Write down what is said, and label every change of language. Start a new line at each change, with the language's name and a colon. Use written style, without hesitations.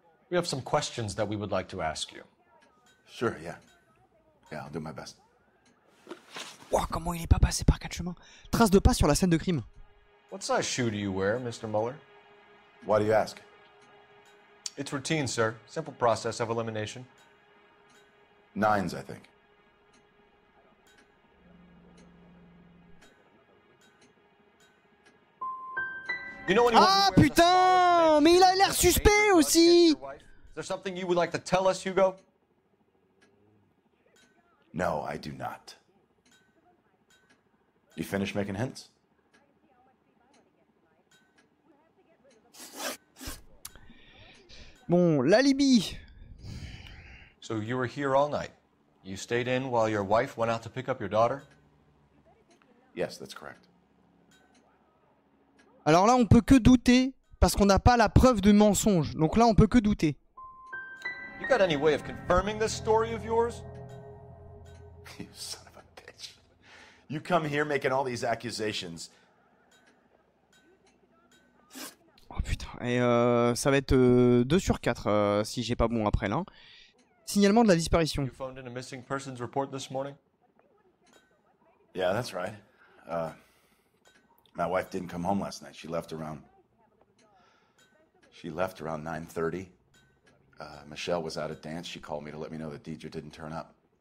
English: We have some questions that we would like to ask you. Sure, yeah. Yeah, I'll do my best.
French: Wow, comment il est pas passé par quatre chemins? Trace de pas sur la scène de crime.
English: What size shoe do you wear, Mr. Mueller? Why do you ask? It's routine, sir. Simple process of elimination. Nines, I think. You know anyone?
French: Ah, putain! Mais il a l'air suspect aussi!
English: Is there something you would like to tell us, Hugo? No, I do not. You finished making hints?
French: Bon, l'alibi.
English: So you were here all night. You stayed in while your wife went out to pick up your daughter? Yes, that's correct.
French: Alors là, on peut que douter parce qu'on n'a pas la preuve de mensonge. Donc là, on peut que douter.
English: You got any way of confirming this story of yours? You son of a bitch. You come here making all these accusations.
French: Oh putain, et ça va être 2 sur 4 si j'ai pas bon après là. Signalement de la disparition.
English: You phoned in a missing persons report this morning? Yeah, that's right. My wife didn't come home last night. She left around 9:30. Michelle was out at dance. She called me to let me know that Deidre didn't turn up.